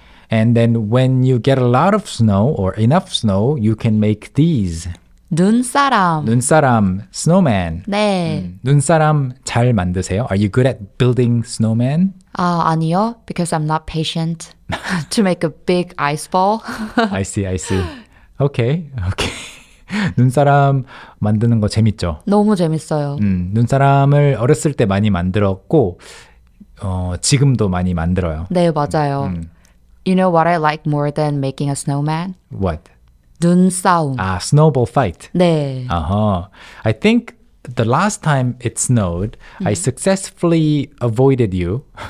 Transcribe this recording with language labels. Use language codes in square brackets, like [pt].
[en] And then when you get a lot of snow or enough snow, you can make these. [ko] 눈사람. 눈사람, snowman. 네. 눈사람 잘 만드세요? [en] Are you good at building snowman? [ko] 아니요, [en] because I'm not patient to make a big ice ball. I see, I see. Okay. [ko] 눈사람 만드는 거 재밌죠? 너무 재밌어요. 눈사람을 어렸을 때 많이 만들었고, 지금도 많이 만들어요. 네, 맞아요. [en] You know what I like more than making a snowman? What? [ko] 눈싸움. [en] Ah, snowball fight. [ko] 네. Uh-huh. [en] I think the last time it snowed, I successfully avoided you.